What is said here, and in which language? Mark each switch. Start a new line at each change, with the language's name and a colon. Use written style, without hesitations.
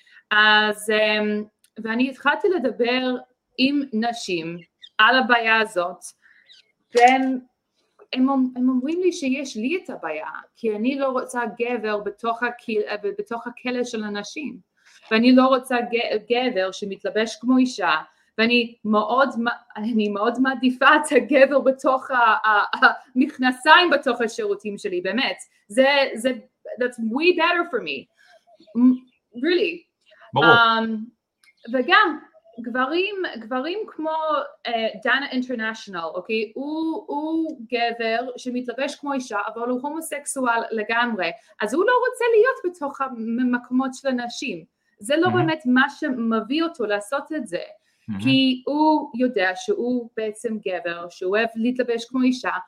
Hebrew: אז, ואני התחלתי לדבר עם נשים על הבעיה הזאת, והם אומרים לי שיש לי את הבעיה, כי אני לא רוצה גבר בתוך הכלא של הנשים, ואני לא רוצה גבר שמתלבש כמו אישה, ואני מאוד, אני מאוד מעדיפה את הגבר בתוך המכנסיים בתוך השירותים שלי, באמת.
English: זה, that's way better for me. Really.
Hebrew: וגם, גברים כמו דנה אינטרנשיונל, אוקיי? הוא גבר שמתלבש כמו אישה, אבל הוא הומוסקסואל לגמרי. אז הוא לא רוצה להיות בתוך המקומות של הנשים. זה לא באמת מה שמביא אותו לעשות את זה. כי הוא יודע שהוא בעצם גבר, שהוא אוהב להתלבש כמו אישה.